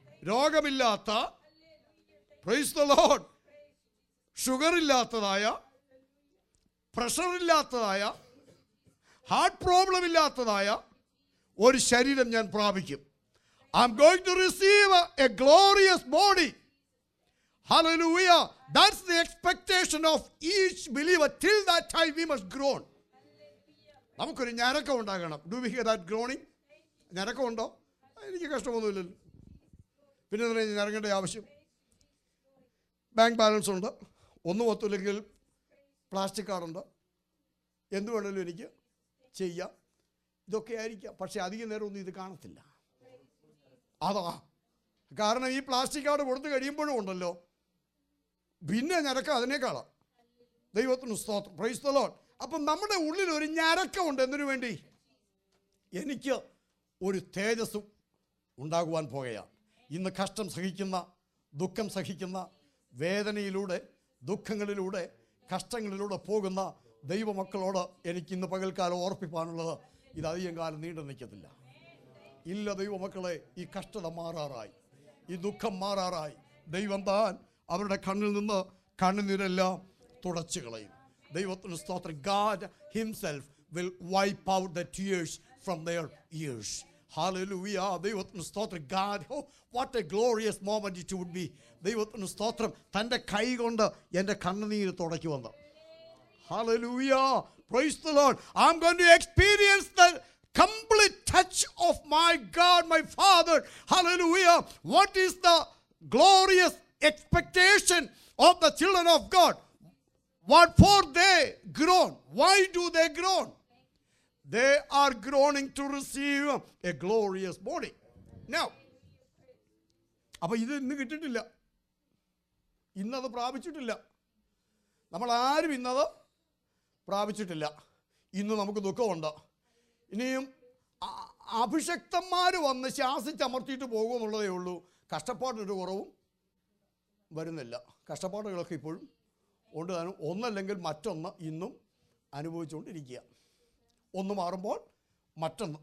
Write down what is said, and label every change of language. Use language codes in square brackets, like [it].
[ml] Rogamillatha, [en] praise the Lord. [ml] Sugarillathaya, pressureillathaya, heart problemillathaya. ഒരു ശരീരം ഞാൻ പ്രാപിക്കും. [en] I'm going to receive a glorious body. Hallelujah. That's the expectation of each believer. Till that time, we must groan. [ml] നമുക്കൊരു ഞരക്കം ഉണ്ടാകണം. [en] Do we hear that groaning? [ml] ഞരക്കം ഉണ്ടോ? എനിക്ക് കഷ്ടമൊന്നുമില്ലല്ലോ. പിന്നെ ഇറങ്ങേണ്ട ആവശ്യം. ബാങ്ക് ബാലൻസ് ഉണ്ട്, ഒന്നും ഒത്തില്ലെങ്കിൽ പ്ലാസ്റ്റിക് കാർഡുണ്ട്, എന്ത് വേണമെങ്കിലും എനിക്ക് ചെയ്യാം, ഇതൊക്കെ ആയിരിക്കാം. പക്ഷെ അധികം നേരം ഒന്നും ഇത് കാണത്തില്ല. അതാ കാരണം ഈ പ്ലാസ്റ്റിക് കാർഡ് കൊടുത്തു കഴിയുമ്പോഴും ഉണ്ടല്ലോ പിന്നെ ഞരക്കം അതിനേക്കാളാ. ദൈവത്തിന് സ്തോത്രം, [en] Praise the Lord. [ml] അപ്പം നമ്മുടെ ഉള്ളിൽ ഒരു ഞരക്കമുണ്ട്. എന്തിനു വേണ്ടി? എനിക്ക് ഒരു തേജസ്സും ഉണ്ടാകുവാൻ പോകയാണ്. ഇന്ന് കഷ്ടം സഹിക്കുന്ന, ദുഃഖം സഹിക്കുന്ന, വേദനയിലൂടെ, ദുഃഖങ്ങളിലൂടെ, കഷ്ടങ്ങളിലൂടെ പോകുന്ന ദൈവമക്കളോട് എനിക്ക് ഇന്ന് പകൽക്കാലം ഓർപ്പിപ്പാനുള്ളത്, ഇത് അധികം കാലം നീണ്ടു നിൽക്കത്തില്ല. ഇല്ല ദൈവമക്കളെ, ഈ കഷ്ടത മാറാറായി, ഈ ദുഃഖം മാറാറായി. ദൈവം താൻ അവരുടെ കണ്ണിൽ നിന്ന് കണ്ണുനീരെല്ലാം തുടച്ചു കളയും. ദൈവത്തിന് സ്തോത്രം. [en] God himself will wipe out the tears from their ears. Hallelujah. [ml] ദൈവത്തിന് സ്തോത്രം. [en] God, oh, what a glorious moment it would be. [ml] ദൈവത്തിന് സ്തോത്രം. തൻ്റെ കൈ കൊണ്ട് എൻ്റെ കണ്ണുനീര് തുടക്കി വന്നു. [en] Hallelujah. Praise the Lord. I'm going to experience the complete touch of my God, my Father. Hallelujah. What is the glorious expectation of the children of God? What for they groan? Why do they groan? They are groaning to receive a glorious body. [ml] Now, appa idu innu kittittilla, innathu praapichittilla, nammal aarum innathu പ്രാപിച്ചിട്ടില്ല. ഇന്ന് നമുക്ക് ദുഃഖമുണ്ട്. ഇനിയും അഭിഷക്തന്മാർ വന്ന് ശാസിച്ചമർത്തിയിട്ട് പോകുമെന്നുള്ളതേ ഉള്ളൂ. കഷ്ടപ്പാടൊരു കുറവും വരുന്നില്ല. കഷ്ടപ്പാടുകളൊക്കെ ഇപ്പോഴും ഉണ്ട്. ഒന്നല്ലെങ്കിൽ മറ്റൊന്ന് ഇന്നും അനുഭവിച്ചുകൊണ്ടിരിക്കുക. ഒന്ന് മാറുമ്പോൾ മറ്റൊന്ന്.